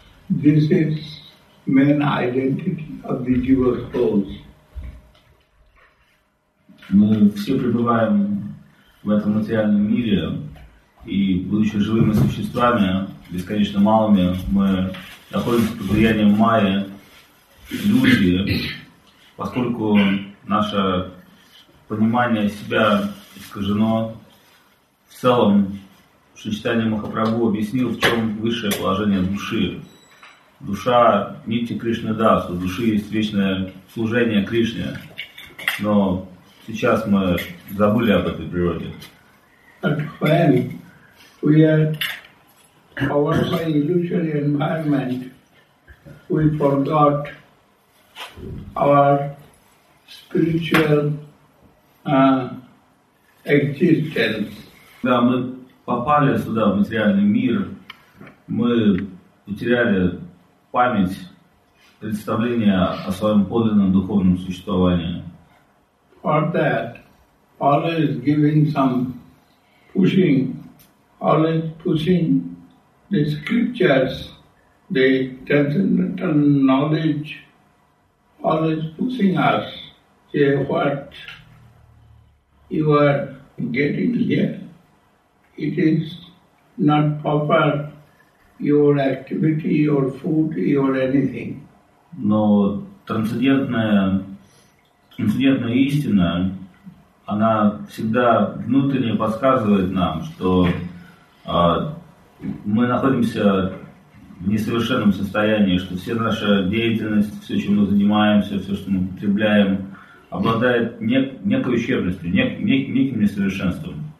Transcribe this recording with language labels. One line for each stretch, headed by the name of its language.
English: This is main identity of the jiva souls.
Russian: Мы все пребываем в этом материальном мире, и будучи живыми существами, бесконечно малыми, мы находимся под влиянием майя, иллюзии, поскольку наше понимание себя искажено. В целом, Шичтанья Махапрабху объяснил, в чем высшее положение души. Душа нити Кришны даст, у души есть вечное служение Кришне, но сейчас мы забыли об этой природе.
English: But when we are covered by illusory environment, we forgot our spiritual existence.
Russian: Когда мы попали сюда, в материальный мир, мы потеряли память, представление о своем подлинном духовном существовании.
English: For that, always giving some pushing, always pushing the scriptures, the transcendental knowledge, always pushing us, say, what you are getting here, it is not proper, your activity, your food, your anything. No, transcendental.
Russian: Трансцендентная истина, она всегда внутренне подсказывает нам, что мы находимся в несовершенном состоянии, что вся наша деятельность, все, чем мы занимаемся, все, что мы потребляем, обладает некой ущербностью, неким несовершенством.